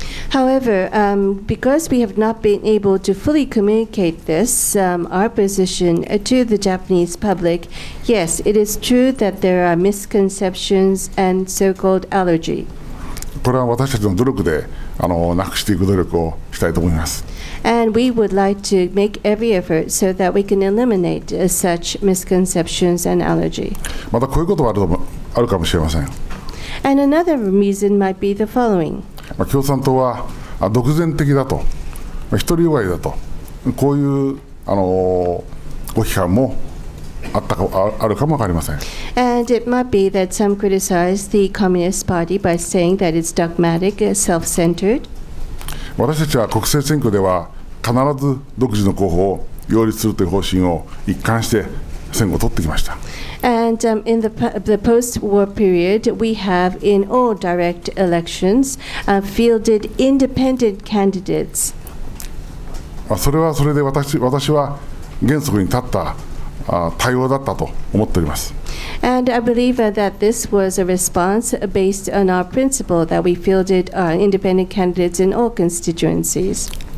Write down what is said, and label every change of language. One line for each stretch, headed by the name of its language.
English: However, because we have not been able to fully communicate this, our position to the Japanese public, yes, it is true that there are misconceptions and so-called allergy.
Japanese: これは私たちの努力でなくしていく努力をしたいと思います。
English: And we would like to make every effort so that we can eliminate such misconceptions and allergy.
Japanese: またこういうことはあるかもしれません。
English: And another reason might be the following.
Japanese: 共産党は独善的だと、独り善がりだと、こういう批判もあるかもわかりません。
English: And it might be that some criticize the Communist Party by saying that it's dogmatic, self-centered.
Japanese: 私たちは国政選挙では必ず独自の候補を擁立するという方針を一貫して選挙を取ってきました。
English: And in the post-war period, we have in all direct elections fielded independent candidates.
Japanese: それはそれで私は原則に立った対応だったと思っております。
English: And I believe that this was a response based on our principle that we fielded our independent candidates in all constituencies.